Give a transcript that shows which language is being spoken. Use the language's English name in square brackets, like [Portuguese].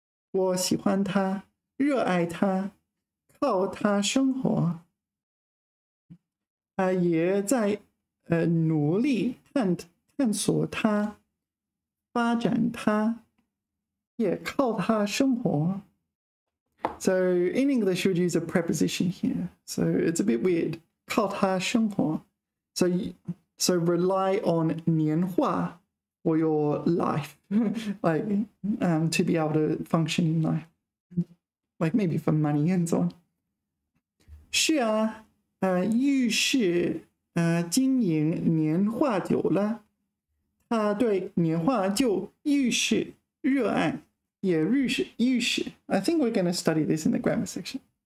[Chinese] 我喜欢他, 热爱他, 靠他生活, 也在努力探索它,发展它,也靠它生活. [English] So in English, you would use a preposition here. So it's a bit weird. [Chinese] 靠它生活. [English] So rely on 年化 or your life, like to be able to function in life. Like maybe for money and so on. [Chinese] 是啊. 浴室经营年画久了，他对年画就愈是热爱，也愈是愈是. [English] I think we're going to study this in the grammar section.